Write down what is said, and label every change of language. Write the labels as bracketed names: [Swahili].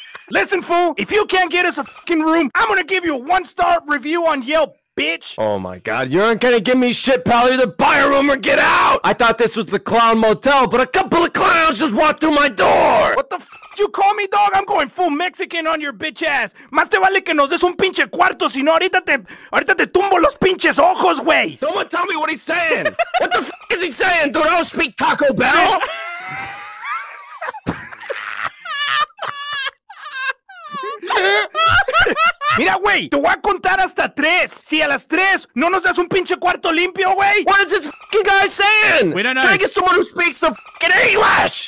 [English] Listen, fool, if you can't get us a f***ing room, I'm gonna give you a one-star review on Yelp. Bitch! Oh my god, you aren't gonna give me shit, pal. Either buy a room or get out! I thought this was the clown motel, but a couple of clowns just walked through my door! What the f did you call me, dog? I'm going full Mexican on your bitch ass! [Spanish] Más te vale que nos des un pinche cuarto, sino ahorita te tumbo los pinches ojos, güey! [English] Someone tell me what he's saying! What the f is he saying, dude? I don't speak Taco Bell! [Spanish] Mira, güey, te voy a contar hasta tres. Si a las tres no nos das un pinche cuarto limpio, güey. [English] What is this f***ing guy saying? We don't know. Can I get someone who speaks some f***ing English?